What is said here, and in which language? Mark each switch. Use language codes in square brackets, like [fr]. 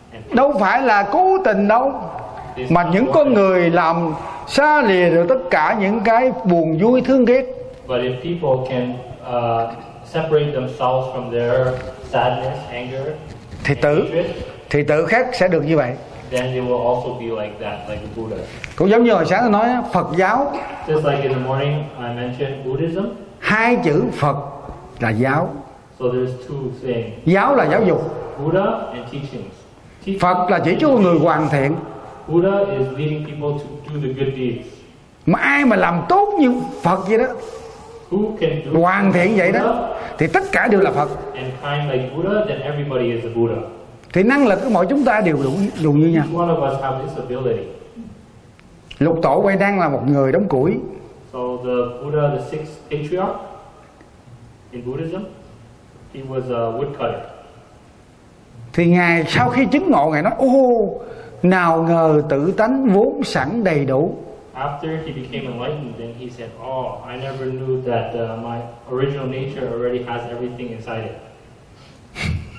[vi] Đâu phải là cố tình đâu, mà những con người làm xa lìa được tất cả những cái buồn vui thương ghét. [en] But if people can separate themselves from their sadness, anger, [vi] thì tự khác sẽ được như vậy. [en] Then they will also be like that, like the Buddha. [vi] Cũng giống như hồi sáng tôi nói Phật giáo. [en] Just like in the morning I mentioned Buddhism. [vi] Hai chữ Phật là giáo. [en] So there's two things. [vi] Giáo là giáo dục. [en] Buddha and teachings. [vi] Phật là chỉ cho người hoàn thiện. [en] Buddha is leading people to do the good deeds. [vi] Mà ai mà làm tốt như Phật vậy đó, [en] who can do [vi] hoàn thiện [en] Buddha [vi] vậy đó, thì tất cả đều là Phật. [en] And kind like Buddha, then everybody is a Buddha. [vi] Thì năng lực của mỗi chúng ta đều đủ như nhau. [en] Each one of us have this ability. [vi] Lục tổ quay đang là một người đóng củi. [en] So the Buddha, the sixth patriarch in Buddhism, he was a woodcutter. [vi] Thì ngài sau khi chứng ngộ, ngài nói ô, nào ngờ tự tánh vốn sẵn đầy đủ. [en] After he became enlightened, then he said, oh, I never knew that my original nature already has everything inside it.